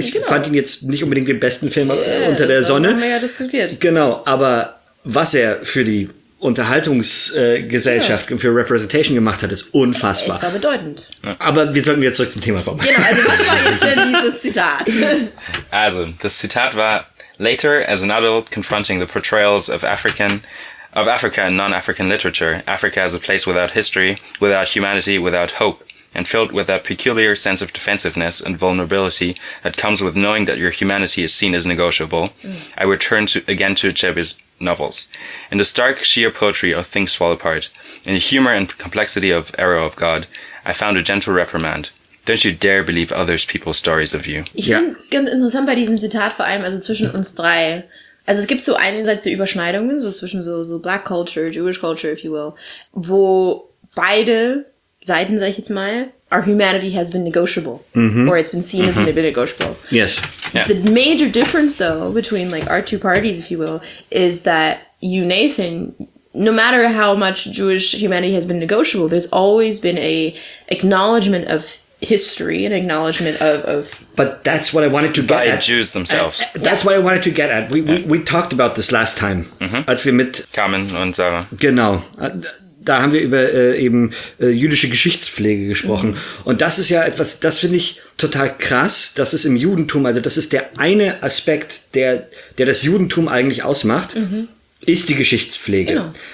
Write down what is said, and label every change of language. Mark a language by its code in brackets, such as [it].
[de] Ich fand ihn jetzt nicht unbedingt den besten Film unter der Sonne. Haben wir ja diskutiert. Genau, aber was er für die Unterhaltungsgesellschaft für Representation gemacht hat, ist unfassbar. Es war bedeutend. Aber wir sollten wieder zurück zum Thema kommen. Genau, also was war jetzt denn dieses Zitat? Also, das Zitat war: [en] Later, as an adult confronting the portrayals of Africa in non-African literature, Africa as a place without history, without humanity, without hope, and filled with that peculiar sense of defensiveness and vulnerability that comes with knowing that your humanity is seen as negotiable, I return again to Achebe's novels. In the stark sheer poetry of Things Fall Apart, in the humor and complexity of Arrow of God, I found a gentle reprimand. Don't you dare believe other people's stories of you. [de] Ich finde es ganz interessant bei diesem Zitat, vor allem also zwischen uns drei. Also es gibt so einerseits so Überschneidungen, so zwischen so [en] Black Culture, Jewish Culture, if you will, [de] wo beide Seiten, sag ich jetzt mal, [en] our humanity has been negotiable, mm-hmm. or it's been seen mm-hmm. as been negotiable. Yes. Yeah. The major difference, though, between like our two parties, if you will, is that you, Nathan, no matter how much Jewish humanity has been negotiable, there's always been a acknowledgement of history, an acknowledgement of. But that's what I wanted to get at. By Jews themselves. That's what I wanted to get at. We talked about this last time, mm-hmm. [de] als wir mit Carmen und Sarah. Genau. Da haben wir über jüdische Geschichtspflege gesprochen. Mhm. Und das ist ja etwas, das finde ich total krass. Das ist im Judentum, also das ist der eine Aspekt, der das Judentum eigentlich ausmacht, mhm. ist die Geschichtspflege. Genau.